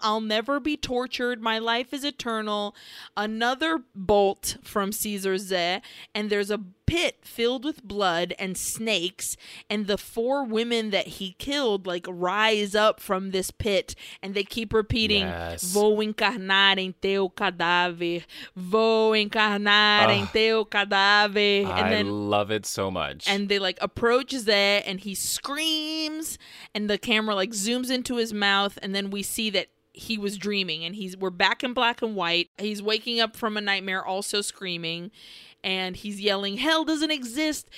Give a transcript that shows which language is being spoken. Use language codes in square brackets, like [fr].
[en] I'll never be tortured. My life is eternal. Another bolt from Caesar Zed, and there's a pit filled with blood and snakes, and the four women that he killed like rise up from this pit, and they keep repeating, yes, [pt] vou encarnar em teu cadáver, vou encarnar em teu cadáver. [en] And then, I love it so much. And they like approach Zed, and he screams, and the camera like zooms into his mouth, and then we see that he was dreaming, and we're back in black and white. He's waking up from a nightmare, also screaming. And he's yelling, hell doesn't exist.